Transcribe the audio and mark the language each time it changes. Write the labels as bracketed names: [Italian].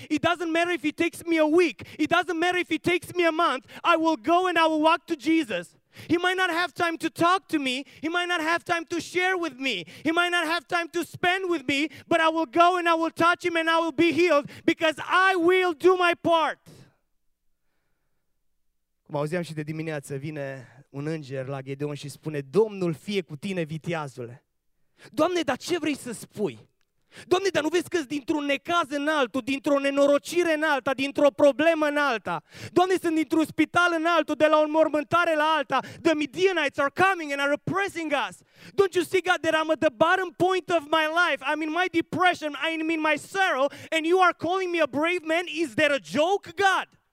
[English] It doesn't matter if it takes me a week. It doesn't matter if it takes me a month. I will go and I will walk to Jesus. He might not have time to talk to me. He might not have time to share with me. He might not have time to spend with me. But I will go and I will touch him and I will be healed because I will do my part." [Romanian] Cum auzeam și de dimineață, vine un înger la Gedeon și spune, "Domnul fie cu tine, viteazule." Doamne, dar ce vrei să spui? Doamne, dar nu vezi că-s dintr-un necaz în altul, dintr-o nenorocire în alta, dintr-o problemă în alta? Doamne, sunt dintr-un spital în altul, de la o mormântare la alta. [English] The Midianites are coming and are oppressing us. Don't you see, God, that I'm at the bottom point of my life? I'm in my depression, I'm in my sorrow, and you are calling me a brave man? Is that a joke, God?